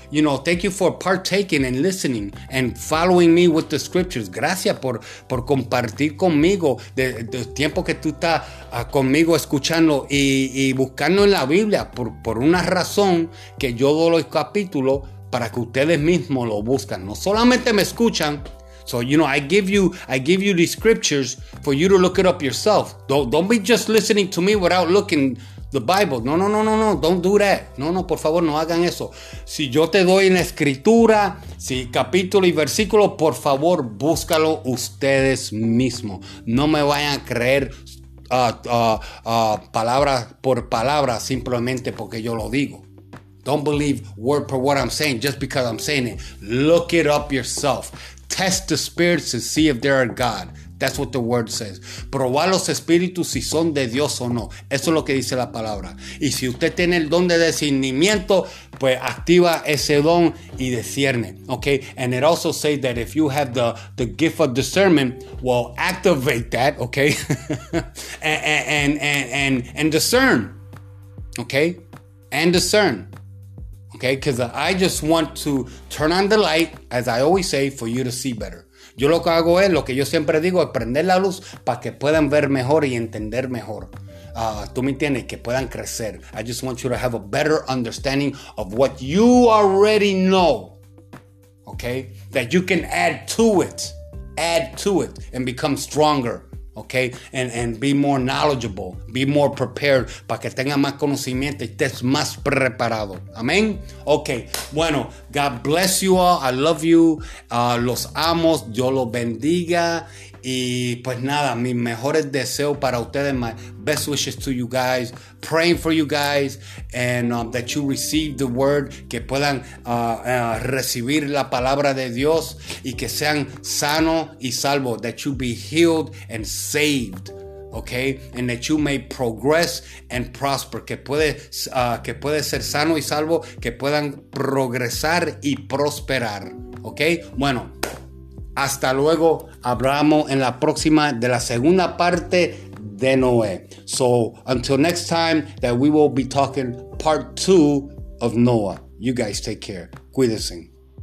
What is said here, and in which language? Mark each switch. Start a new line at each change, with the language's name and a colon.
English: You know, thank you for partaking and listening and following me with the scriptures.
Spanish: Gracias por compartir conmigo de tiempo que tú estás conmigo escuchando y buscando en la Biblia por una razón que yo doy los capítulos para que ustedes mismos lo buscan. No solamente me escuchan.
English: So, you know, I give you these scriptures for you to look it up yourself. Don't be just listening to me without looking the Bible.
Spanish: No.
English: Don't do that.
Spanish: No, por favor, no hagan eso. Si yo te doy en la escritura, si capítulo y versículo, por favor, búscalo ustedes mismos. No me vayan a creer palabra por palabra simplemente porque yo lo digo.
English: Don't believe word per word I'm saying just because I'm saying it. Look it up yourself. Test the spirits and see if they are God. That's what the word says.
Spanish: Proba los espíritus si son de Dios o no. Eso es lo que dice la palabra. Y si usted tiene el don de discernimiento, pues activa ese don y discierne.
English: Okay? And it also says that if you have the gift of discernment, well, activate that, okay? and discern. Okay? And discern. Okay? Because I just want to turn on the light, as I always say, for you to see better.
Spanish: Yo lo que hago es, lo que yo siempre digo, es prender la luz para que puedan ver mejor y entender mejor. Tú me entiendes, que puedan crecer.
English: I just want you to have a better understanding of what you already know. Okay? That you can add to it. Add to it and become stronger. Okay? And be more knowledgeable. Be more prepared
Spanish: para que tengan más conocimiento y estés más preparado.
English: Amén? Okay. Bueno, God bless you all. I love you.
Spanish: Los amo. Dios los bendiga. Y pues nada, mis mejores deseos para ustedes.
English: My best wishes to you guys. Praying for you guys. And that you receive the word.
Spanish: Que puedan recibir la palabra de Dios. Y que sean sano y salvo.
English: That you be healed and saved. Okay? And that you may progress and prosper.
Spanish: Que puede ser sano y salvo. Que puedan progresar y prosperar. Okay? Bueno. Hasta luego, hablamos en la próxima de la segunda parte de Noé.
English: So, until next time, that we will be talking part 2 of Noah. You guys take care.
Spanish: Cuídense.